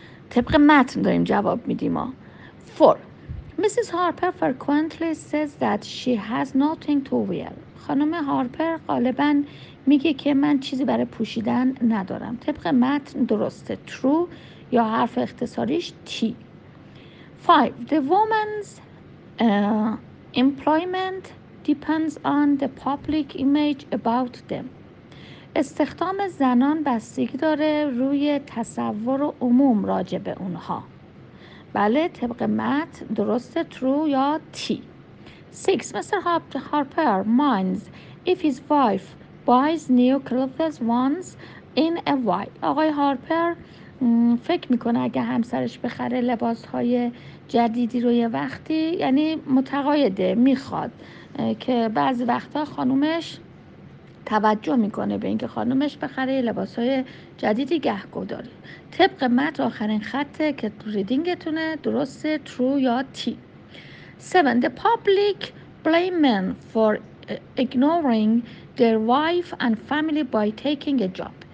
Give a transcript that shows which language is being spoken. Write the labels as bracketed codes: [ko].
[fa] طبق متن داریم جواب میدیم. [en] 4. Mrs. Harper frequently says that she has nothing to wear. [fa] خانم هارپر غالبا میگه که من چیزی برای پوشیدن ندارم. طبق متن درسته، true، یا حرف اختصاریش تی. 5. [en] The woman's employment depends on the public image about them. [fa] استخدام زنان بستگی داره روی تصور عموم راجع به اونها. بله طبق مت درسته، true یا تی. [en] 6. Mr. Harper minds if his wife buys new clothes once in a while. [fa] آقای هارپر فکر میکنه اگه همسرش بخره لباسهای جدیدی رو یه وقتی، یعنی متقاعده، میخواد که بعضی وقتا خانومش توجه میکنه به اینکه خانومش بخره لباسهای جدیدی گهگو داره. طبق مت آخرین خطه که ریدینگتونه درسته، true یا تی. 7. [en] The public blame men for ignoring their wife and family by taking a job.